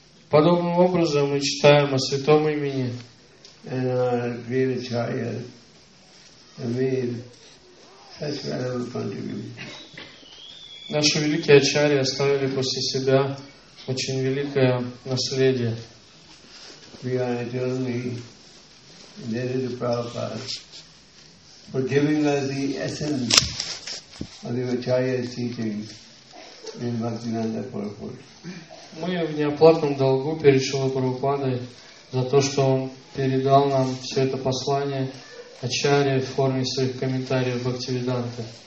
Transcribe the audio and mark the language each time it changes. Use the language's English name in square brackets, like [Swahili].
[Russian] Подобным образом мы читаем о святом имени. [English] And our great acharya made such valuable contribution. [Russian] Наши великие ачарьи оставили после себя очень великое наследие. [English] We are eternally indebted to Prabhupada for giving us the essence of the acharya's teachings in Bhaktivinoda Purport. [Russian] Мы в неоплатном долгу перед Шрилой Прабхупадой за то, что он передал нам все это послание Ачарья в форме своих комментариев Бхактивиданты.